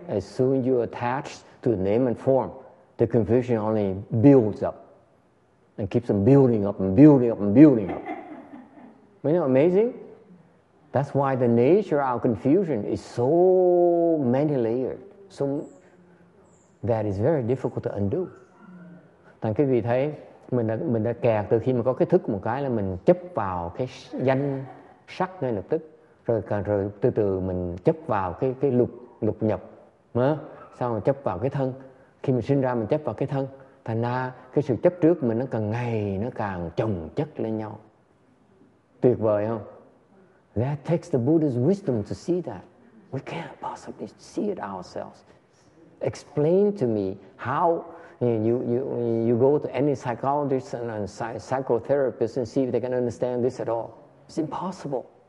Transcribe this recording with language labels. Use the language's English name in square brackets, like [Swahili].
[English] As soon you attach to name and form, the confusion only builds up. And keeps them building up and building up and building up. Isn't that amazing? That's why the nature of our confusion is so many layered, so that is very difficult to undo. [Vietnamese] Thành quý vị thấy mình đã kẹt từ khi mà có cái thức một cái là mình chấp vào cái danh sắc ngay lập tức, rồi từ từ mình chấp vào cái lục nhập, mà sau mình chấp vào cái thân. Khi mình sinh ra mình chấp vào cái thân. Thành ra cái sự chấp trước mình nó càng ngày nó càng chồng chất lên nhau. Tuyệt vời không? [English] That takes the Buddha's wisdom to see that. We can't possibly see it ourselves. Explain to me how you go to any psychologist and psychotherapist and see if they can understand this at all. It's impossible.